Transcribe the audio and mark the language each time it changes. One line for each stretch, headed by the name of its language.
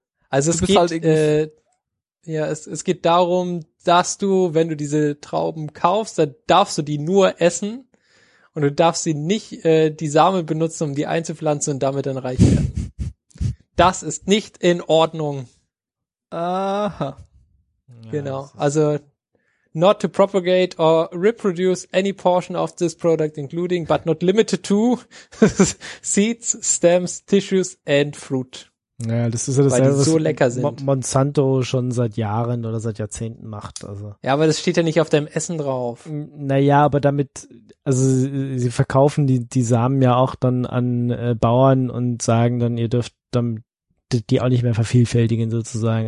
German: es geht halt irgendwie es geht darum, dass du, wenn du diese Trauben kaufst, dann darfst du die nur essen und du darfst sie nicht die Samen benutzen, um die einzupflanzen und damit dann reich werden. Das ist nicht in Ordnung. Aha. Genau.
English: Also not to propagate or reproduce any portion of this product, including but not limited to seeds, stems, tissues and fruit.
German: Naja, das ist ja das, weil die so lecker sind. Monsanto schon seit Jahren oder seit Jahrzehnten macht. Also. Ja, aber das steht ja nicht auf deinem Essen drauf. Naja, aber damit, also sie verkaufen die Samen ja auch dann an Bauern und sagen dann, ihr dürft damit die auch nicht mehr vervielfältigen sozusagen.